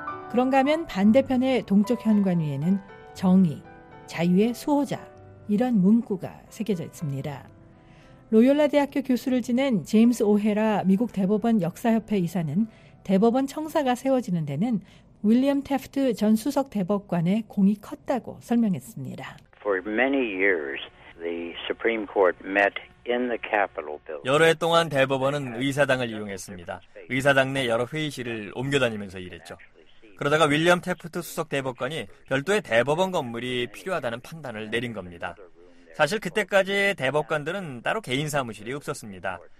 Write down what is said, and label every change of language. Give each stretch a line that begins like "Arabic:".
Korean: 그런가 하면 반대편의 동쪽 현관 위에는 정의, 자유의 수호자, 이런 문구가 새겨져 있습니다. 로욜라 대학교 교수를 지낸 제임스 오헤라 미국 대법원 역사협회 이사는 대법원 청사가 세워지는 데는 윌리엄 테프트 전 수석 대법관의 공이 컸다고 설명했습니다.
English: For many years, the Supreme Court met
Korean: 여러 해 동안 대법원은 의사당을 이용했습니다. 의사당 내 여러 회의실을 옮겨다니면서 일했죠. 그러다가 윌리엄 테프트 수석 대법관이 별도의 대법원 건물이 필요하다는 판단을 내린 겁니다. 사실 그때까지 대법관들은 따로 개인 사무실이 없었습니다.